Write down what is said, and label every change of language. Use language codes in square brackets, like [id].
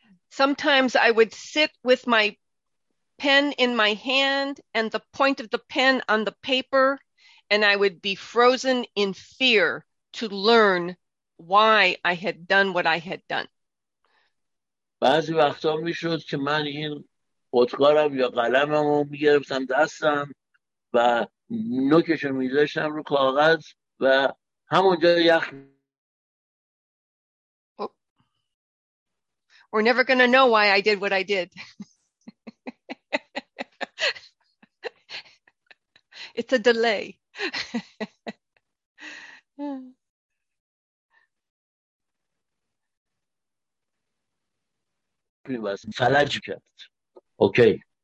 [en] Sometimes I would sit with my pen in my hand and the point of the pen on the paper, and I would be frozen in fear to learn why I had done what I had done. [fa] بعضی وقتا میشد که من این خودکارم یا قلمم رو میگرفتم دستم و نوکش رو میذاشتم رو کاغذ و همونجا یخ. [en] We're never going to know why I did what I did. It's a delay. [fa] فلج کرد. اوکی.